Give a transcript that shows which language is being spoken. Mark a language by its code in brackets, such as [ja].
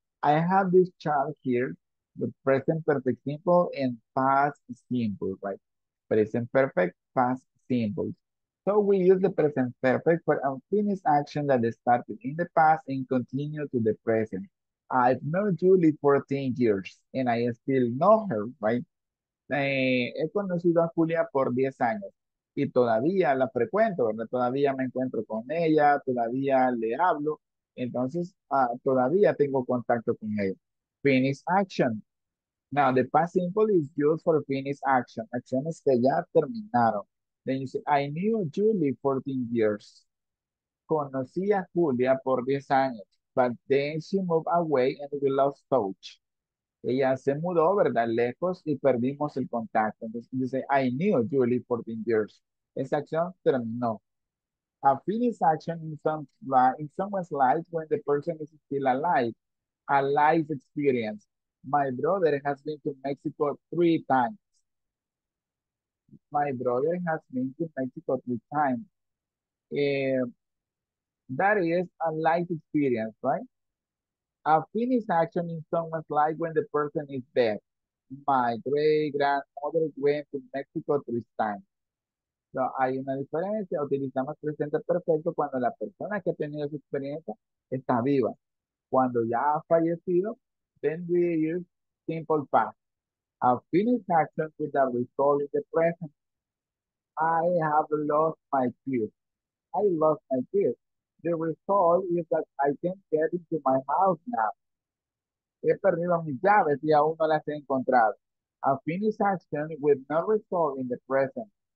[en] I have this chart here with present perfect simple and past simple, right? Present perfect, past simple. So we use the present perfect for unfinished action that started in the past and continue to the present. I've known Julie 14 years and I still know her, right? [es] He conocido a Julia por 10 años y todavía la frecuento, ¿verdad? Todavía me encuentro con ella, todavía le hablo. Entonces, todavía tengo contacto con ella. [en] Finish action. Now, the past simple is used for finish action. [es] Acciones que ya terminaron. [en] Then you say, I knew Julie 14 years. [es] Conocí a Julia por 10 años. [en] But then she moved away and we lost touch. [es] Ella se mudó, ¿verdad? Lejos y perdimos el contacto. Entonces, [en] you say, I knew Julie 14 years. [es] Esa acción terminó. [en] A finished action in someone's life when the person is still alive. A life experience. My brother has been to Mexico 3 times. My brother has been to Mexico 3 times. That is a life experience, right? A finished action in someone's life when the person is dead. My great-grandmother went to Mexico 3 times. [es] So, hay una diferencia, utilizamos presente perfecto cuando la persona que ha tenido esa experiencia está viva. Cuando ya ha fallecido, [en] then we use simple past. A finished action with a result in the present. I have lost my tooth. I lost my tooth. The result is that I can't get into my house now. [es] He perdido mis llaves y aún no las he encontrado. [en] A finished action with no result in the present.